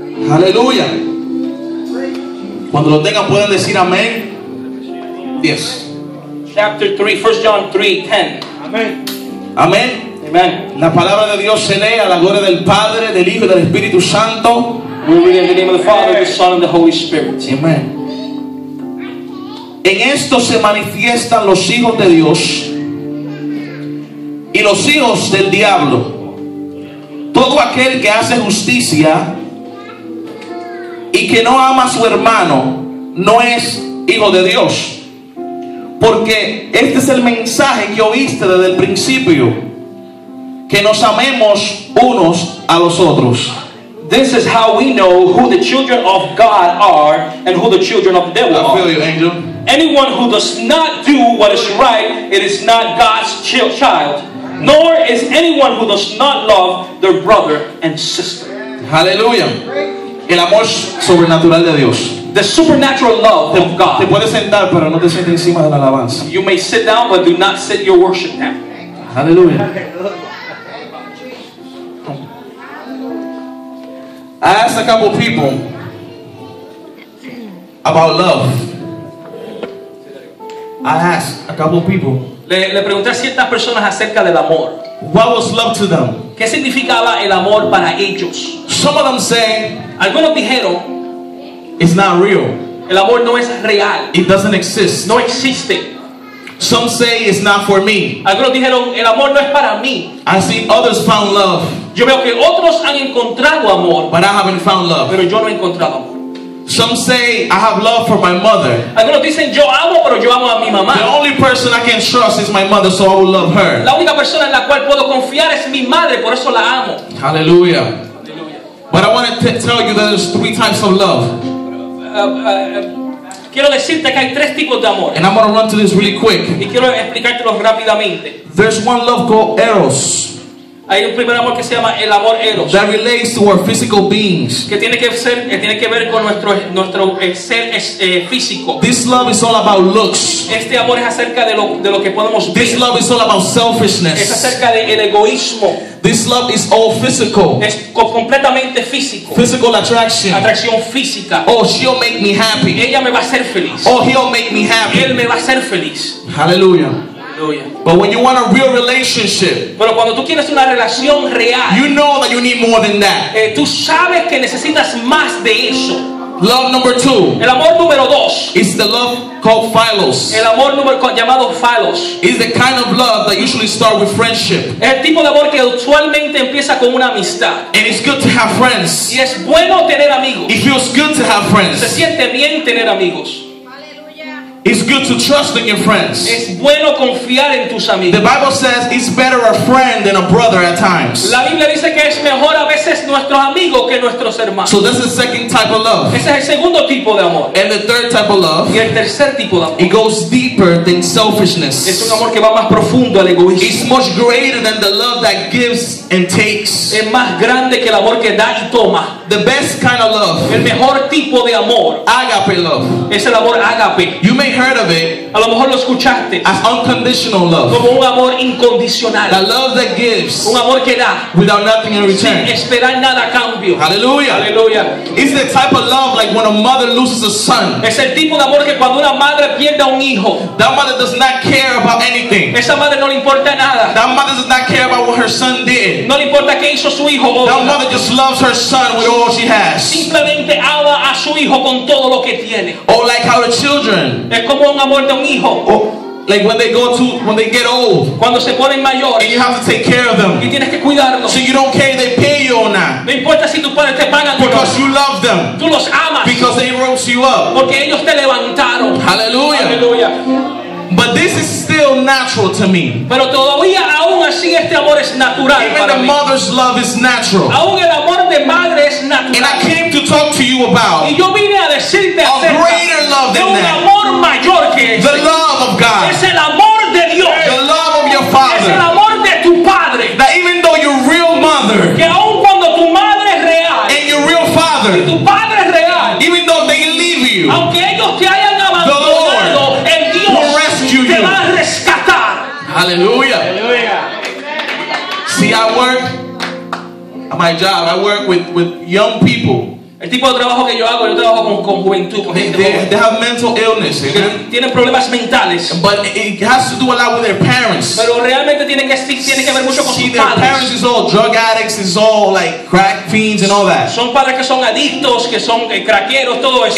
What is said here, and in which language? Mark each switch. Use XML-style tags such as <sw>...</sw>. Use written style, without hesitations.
<es>Aleluya. Cuando lo tengan pueden decir amén.</es> <en>Yes. Chapter 3, 1 John 3:10.</en> <es>Amén. Amén.</es> <en>Amen.</en> <es>La palabra de Dios se lee a la gloria del Padre, del Hijo y del Espíritu Santo.</es> <en>We read in the name of the Father, the Son, and the Holy Spirit. Amen.</en> <es>En esto se manifiestan los hijos de Dios y los hijos del diablo. Todo aquel que hace justicia y que no ama a su hermano no es hijo de Dios. Porque este es el mensaje que oíste desde el principio, que nos amemos unos a los otros.</es> <en>This is how we know who the children of God are and who the children of the devil are. I feel you, angel. Anyone who does not do what is right, it is not God's child. Nor is anyone who does not love their brother and sister.</en> <es>Hallelujah. El amor sobrenatural de Dios.</es> <en>The supernatural love of God.</en> <es>Te puedes sentar, pero no te sientes encima de la alabanza.</es> <en>You may sit down, but do not sit your worship down. Hallelujah. I asked a couple people about love. I asked a couple people.</en> <es>Le pregunté a ciertas personas acerca del amor.</es> <en>What was love to them?</en> <es>¿Qué significaba el amor para ellos?</es> <en>Some of them say,</en> <es>algunos dijeron,</es> <en>it's not real.</en> <es>El amor no es real.</es> <en>It doesn't exist.</en> <es>No existe.</es> <en>Some say it's not for me.</en> <es>Algunos dijeron, el amor no es para mí.</es> <en>I see others found love.</en> <es>Yo veo que otros han encontrado amor.</es> <en>But I haven't found love.</en> <es>Pero yo no he encontrado amor.</es> <en>Some say I have love for my mother.</en> <es>Algunos dicen yo amo, pero yo amo a mi mamá.</es> <en>The only person I can trust is my mother, so I will love her.</en> <es>La única persona en la cual puedo confiar es mi madre, por eso la amo. Hallelujah.</es> <en>But I want to tell you that there's three types of love.</en> <es>Quiero decirte que hay tres tipos de amor.</es> <en>And I'm going to run to this really quick.</en> <es>Y quiero explicártelo rápidamente.</es> <en>There's one love called Eros.</en> <es>Hay un primer amor que se llama el amor Eros.</es> <en>That relates to our physical beings.</en> <es>Que tiene que ser, que tiene que ver con nuestro ser físico.</es> <en>This love is all about looks.</en> <es>Este amor es acerca de lo que podemos ver.</es> <en>This love is all about selfishness.</en> <es>Es acerca del egoísmo.</es> <en>This love is all physical.</en> <es>Es completamente físico.</es> <en>Physical attraction.</en> <es>Atracción física.</es> <en>Oh, she'll make me happy.</en> <es>Ella me va a hacer feliz.</es> <en>Oh, he'll make me happy.</en> <es>Él me va a hacer feliz. Hallelujah. Hallelujah.</es> <en>But when you want a real relationship,</en> <es>pero cuando tú quieres una relación real,</es> <en>you know that you need more than that.</en> <es>Tú sabes que necesitas más de eso.</es> <en>Love number two.</en> <es>El amor número dos.</es> <en>It's the love called philos.</en> <es>El amor llamado philos.</es> <en>It's the kind of love that usually starts with friendship.</en> <es>El tipo de amor que usualmente empieza con una amistad.</es> <en>And it's good to have friends.</en> <es>Y es bueno tener amigos.</es> <en>It feels good to have friends.</en> <es>Se siente bien tener amigos.</es> <en>It's good to trust in your friends.</en> <es>Es bueno confiar en tus amigos.</es> <en>The Bible says it's better a friend than a brother at times.</en> <es>La Biblia dice que es mejor a veces nuestros amigos que nuestros hermanos.</es> <en>So that's the second type of love.</en> <es>Ese es el segundo tipo de amor.</es> <en>And the third type of love.</en> <es>Y el tercer tipo de amor.</es> <en>It goes deeper than selfishness.</en> <es>Es un amor que va más profundo al egoísmo.</es> <en>It's much greater than the love that gives and takes.</en> <es>Es más grande que el amor que da y toma.</es> <en>The best kind of love.</en> <es>El mejor tipo de amor.</es> <en>Agape love.</en> <es>Es el amor agape.</es> <en>You may heard of it.</en> <es>A lo mejor lo escuchaste.</es> <en>As unconditional love.</en> <es>Como un amor incondicional.</es> <en>The love that gives.</en> <es>Un amor que da.</es> <en>Without nothing in return.</en> <es>Sin esperar nada a cambio. Hallelujah. Hallelujah.</es> <en>It's the type of love like when a mother loses a son.</en> <es>Es el tipo de amor que cuando una madre pierde a un hijo.</es> <en>That mother does not care about anything.</en> <es>Esa madre no le importa nada.</es> <en>That mother does not care about what her son did.</en> <es>No le importa qué hizo su hijo.</es> <en>That mother just loves her son with all she has.</en> <es>Simplemente ama a su hijo con todo lo que tiene.</es> <en>Oh, like how the children.</en> <es>Como un amor de un hijo.</es> <en>Like when they go to, when they get old.</en> <es>Cuando se ponen mayores.</es> <en>And you have to take care of them.</en> <es>Y tienes que cuidarlos.</es> <en>So you don't care if they pay you or not.</en> <es>No importa si tus padres te pagan.</es> <en>Because you love them.</en> <es>Tú los amas.</es> <en>Because they rose you up.</en> <es>Porque ellos te levantaron. Hallelujah. Hallelujah.</es> <en>But this is still natural to me.</en> <es>Pero todavía aún así este amor es natural.</es> <en>Even</en> <es>para</es> <en>the</en> <es>mí.</es> <en>Mother's love is natural.</en> <es>Aún el amor de madre es natural.</es> <en>And I came to talk to you about.</en> <es>Y yo vine a decirte</es> <en>a greater love than</en> <es>de un</es> <en>that.</en> <es>Amor mayor que ese.</es> <en>The love of God.</en> <es>Es el amor de Dios.</es> <en>The love of your father.</en> <es>Es el amor de tu padre.</es> <en>That even though you're real mother.</en> <es>Que aun cuando tu madre es real.</es> <en>And your real father.</en> <es>Y tu padre es real.</es> <en>even though they leave you,</en> <es>aunque ellos te hayan abandonado,</es> <en>the Lord,</en> <es>el Dios</es> <en>will rescue</en> <es>te</es> <en>you.</en> <es>Va a rescatar. Hallelujah. Hallelujah.</es> <en>See, I work my job, I work with young people.</en> <es>El tipo de trabajo que yo trabajo con juventud, con</es> <en>they have mental illness,</en> <es>tienen problemas mentales.</es> <en>But it has to do a lot with their parents.</en> <es>Pero realmente tiene que ver mucho con sus padres.</es> <en>Their parents is all drug addicts, is all like crack fiends and all that.</en> <es>Son padres que son adictos, que son craqueros, todo eso.</es>